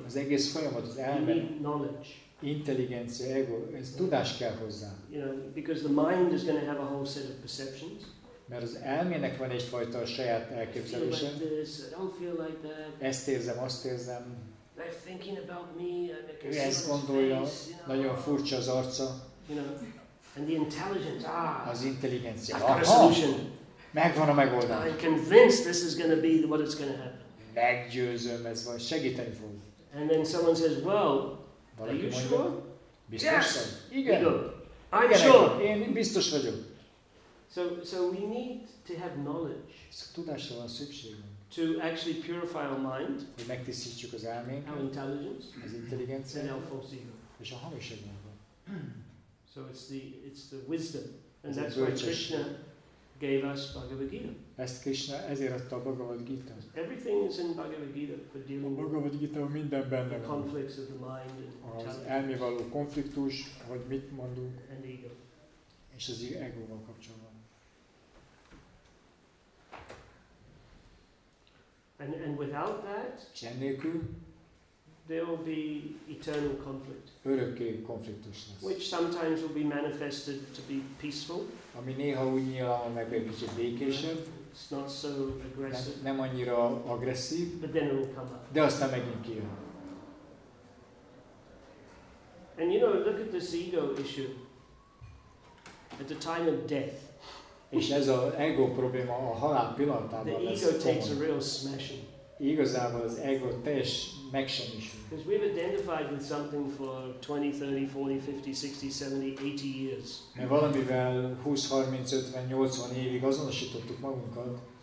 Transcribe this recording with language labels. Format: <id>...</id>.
<hu>Az egész folyamat, az elme,</hu> <en>knowledge,</en> <hu>intelligencia, ego, ez tudás kell hozzá.</hu> <en>You know, because the mind is going to have a whole set of perceptions.</en> <hu>Mert az elmének van egyfajta a saját elképzelése.</hu> <en>I feel like this, I don't feel like that.</en> <hu>Ezt érzem, azt érzem.</hu> <en>They're thinking about me,</en> <hu>ő ezt gondolja,</hu> <en>face, you know,</en> <hu>nagyon furcsa az arca.</hu> <en>You know, and the intelligence,</en> <hu>az intelligencia.</hu> <en>I've got a solution.</en> <hu>Megvan a megoldás.</hu> <en>I'm convinced this is going to be what it's going to happen.</en> <hu>Meggyőzöm, ez van, segíteni fog.</hu> <en>And then someone says, well, are you</en> <hu>mondja,</hu> <en>sure?</en> <hu>Biztos</hu> <en>yes,</en> <hu>igen.</hu> <en>Ego. I'm</en> <hu>igen,</hu> <en>sure.</en> <hu>Én biztos vagyok.</hu> <en>So we need to have knowledge.</en> <hu>Tudásra van szükségünk.</hu> <en>To actually purify our mind.</en> <hu>Hogy megtisztítsuk az elménket.</hu> <en>Our intelligence.</en> <hu>Az intelligenciát.</hu> <en>And our false ego.</en> <hu>És a hamis egónkat.</hu> <en>So it's the wisdom, and that's why Krishna gave us Bhagavad Gita.</en> <hu>Ezt Krishna ezért adta a Bhagavad Gita.</hu> <en>Everything is in Bhagavad Gita for dealing.</en> <hu>A Bhagavad Gita minden benne van.</hu> <en>The conflicts of the mind and intelligence.</en> <hu>Az elmé való konfliktus, hogy mit mondunk.</hu> <en>And ego.</en> <hu>És az egóval kapcsolatban.</hu> <en>And without that, there will be eternal conflict.</en> <hu>Örökké konfliktus lesz.</hu> <en>Which sometimes will be manifested to be peaceful.</en> <hu>Ami néha úgy nyilván meg egy kicsit békésebb.</hu> <en>It's not so aggressive.</en> <hu>Nem annyira agresszív.</hu> <en>But then it will come up.</en> <hu>De aztán megint kijön.</hu> <en>And you know, look at this ego issue. At the time of death.</en> <hu>És ez az ego probléma a halál pillanatában lesz komoly.</hu> <en>The ego takes a real smashing.</en> <hu>Igazából az ego teljes megsemmisül.</hu> <en>Because we've identified with something for 20, 30, 40, 50, 60, 70, 80 years.</en> <hu>Mert valamivel 20, 30, 50, 80 évig azonosítottuk magunkat.</hu>